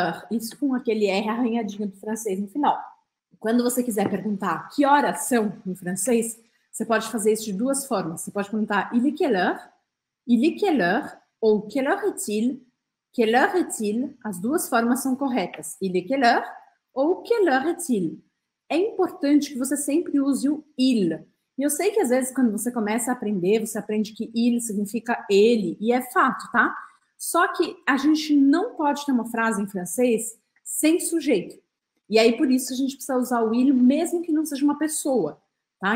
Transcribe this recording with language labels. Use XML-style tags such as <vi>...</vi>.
<pt>Isso com aquele R arranhadinho do francês no final. Quando você quiser perguntar que horas são em francês, você pode fazer isso de duas formas. Você pode perguntar</pt> <fr>il est quelle heure,</fr> <pt>ou</pt> <fr>quelle heure est-il? Quelle heure est-il?</fr> <pt>As duas formas são corretas.</pt> <fr>Il est quelle heure ou quelle heure est-il?</fr> <pt>É importante que você sempre use o il. E eu sei que às vezes quando você começa a aprender, você aprende que il significa ele, e é fato, tá? Só que a gente não pode ter uma frase em francês sem sujeito. E aí por isso a gente precisa usar o il mesmo que não seja uma pessoa, tá?</pt>